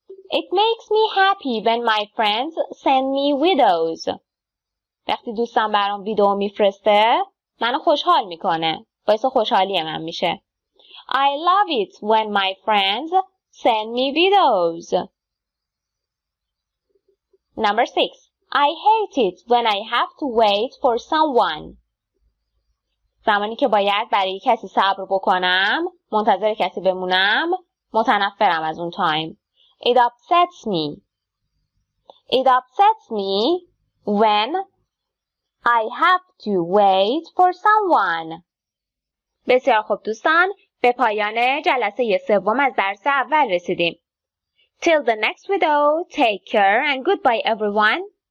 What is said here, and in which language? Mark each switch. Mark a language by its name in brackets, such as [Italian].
[English] It makes me happy when my friends send me widows. [Persian] وقتی دوستم برام ویدو میفرسته منو خوشحال میکنه. باعث خوشحالی من میشه. [English] I love it when my friends send me widows. Number 6. I hate it when I have to wait for someone. [Persian] زمانی که باید برای کسی صبر بکنم، منتظر کسی بمونم، متنفرم از اون تایم. [English] It upsets me. It upsets me when I have to wait for someone. [Persian] بسیار خوب دوستان، به پایان جلسه سوم از درس اول رسیدیم. [English] Till the next video, take care and goodbye everyone.